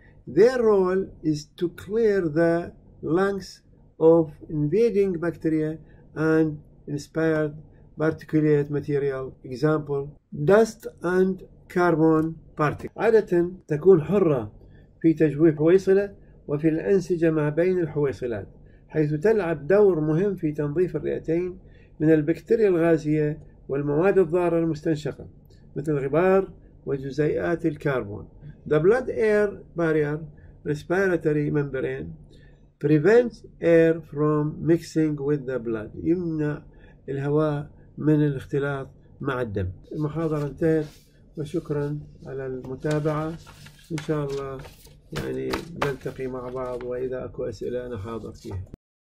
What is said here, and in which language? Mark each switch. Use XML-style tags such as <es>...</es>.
<en>Their role is to clear the lungs of invading bacteria and inspired particulate material, example dust and carbon particles.</en> <ar>عادة تكون حرة في تجويف حويصلة وفي الأنسجة ما بين الحويصلات, حيث تلعب دور مهم في تنظيف الرئتين من البكتيريا الغازية والمواد الضارة المستنشقة مثل الغبار وجزيئات الكربون.</ar> <en>The blood air barrier respiratory membrane prevents air from mixing with the blood.</en> <ar>يمنع الهواء من الاختلاط مع الدم. المحاضرة انتهت وشكرا على المتابعة. إن شاء الله يعني نلتقي مع بعض, وإذا أكو أسئلة أنا حاضر فيها.</ar>